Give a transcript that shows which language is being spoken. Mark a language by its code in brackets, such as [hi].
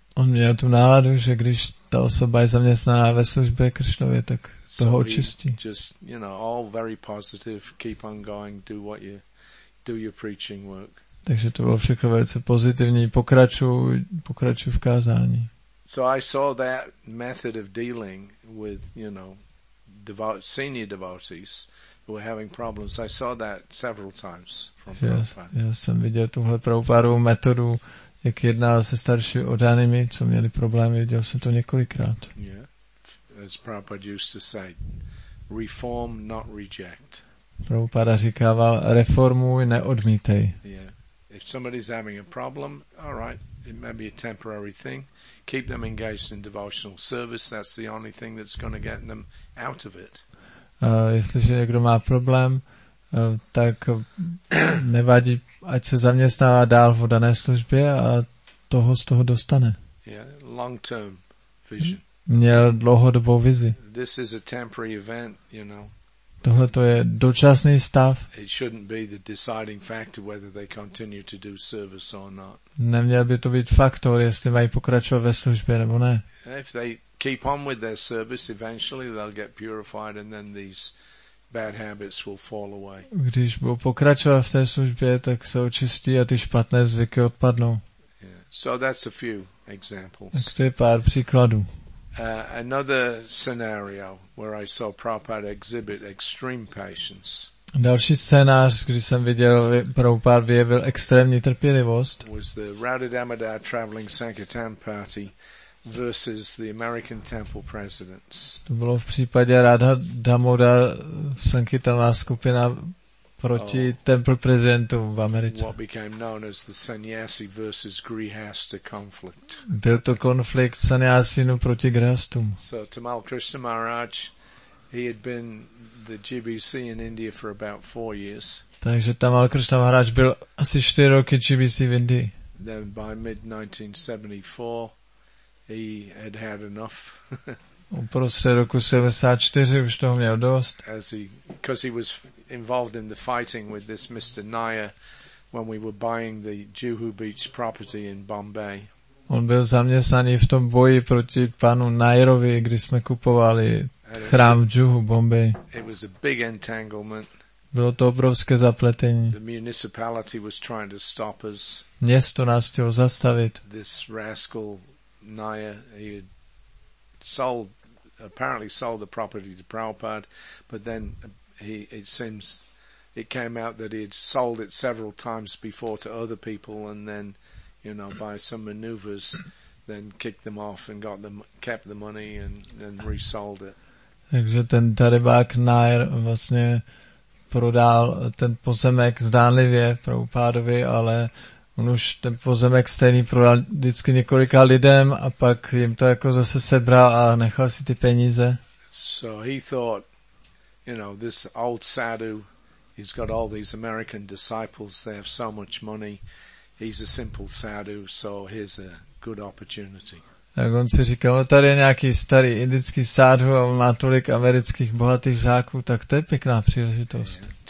[cs] On měl tu náladu, že když ta osoba je zaměstnaná ve službě Krišnově, tak toho očistí. [en] So just, you know, all very positive, keep on going, do what you do your preaching work. [cs] Takže to bylo všechno velice pozitivní. Pokračuji v kázání. [en] So I saw that method of dealing with, you know, senior devotees who were having problems. I saw that several times from Prabhupada. [cs] Já jsem viděl tuhle Prabhupádovou metodu, jak jedná se starší oddanými, co měli problémy. Viděl jsem to několikrát. [en] Yeah. As Prabhupada used to say, reform, not reject. [cs] Prabhupada říkával, reformuj, neodmítej. [en] Yeah. If somebody's having a problem, all right, it may be a temporary thing. Keep them engaged in devotional service. That's the only thing that's going to get them out of it. [cs] Jestliže někdo má problém, tak nevadí, ať se zaměstnává dál v dané službě a toho z toho dostane. [en] Yeah, long-term vision. [cs] Měl dlouhodobou vizi. [en] This is a temporary event, you know. [cs] Tohle to je dočasný stav. [en] It shouldn't be the deciding factor whether they continue to do service or not. [cs] Neměl by to být faktor, jestli mají pokračovat ve službě nebo ne. [en] If they keep on with their service, eventually they'll get purified and then these bad habits will fall away. [cs] Když budou pokračovat v té službě, tak se očistí a ty špatné zvyky odpadnou. [en] Yeah. So that's a few examples. [cs] Tak to je pár příkladů. [en] Another scenario where I saw Prabhupada exhibit extreme patience. [cs] Další scénář, kdy jsem viděl, Prabhupada vyjevil extrémní trpělivost. [en] Was the Radha Damodar traveling Sankirtan party versus the American temple presidents. [cs] To bylo v případě Radha Damodar Sankirtana skupina proti temple prezidentům v Americe. [en] What became known as the sannyasi versus grihastha conflict. [cs] Byl to konflikt sannyasinů proti grihastům. [en] So Tamal Krishna Maharaj, he had been the GBC in India for about 4 years. [cs] Takže Tamal Krishna Maharaj byl asi 4 roky GBC v Indii. [en] Then by mid-1974, he had had enough. [cs] Uprostřed roku 74 už toho měl dost. [en] Because he was involved in the fighting with this Mr. Nair when we were buying the Juhu Beach property in Bombay. [cs] On byl zaměstnaný v tom boji proti panu Nairovi, kdy jsme kupovali chrám v Juhu, Bombay. [en] It was a big entanglement. [cs] Bylo to obrovské zapletení. [en] The municipality was trying to stop us. [cs] Město nás chtělo zastavit. [en] This rascal Nair, he had apparently sold the property to Prabhupada, but then it came out that he had sold it several times before to other people and then, you know, by some maneuvers then kicked them off and kept the money and resold it. [cs] Takže ten darebák Nair vlastně prodal ten pozemek zdánlivě Prabhupádovi, ale on už ten pozemek stejný prodal vždycky několika lidem a pak jim to jako zase sebral a nechal si ty peníze. [en] So he thought, you know, this old sadhu, he's got all these American disciples, they have so much money, he's a simple sadhu, so here's a good opportunity. [cs] Tak on si říkal, tady je nějaký starý indický sádhu a on má tolik amerických bohatých žáků, tak to je pěkná příležitost.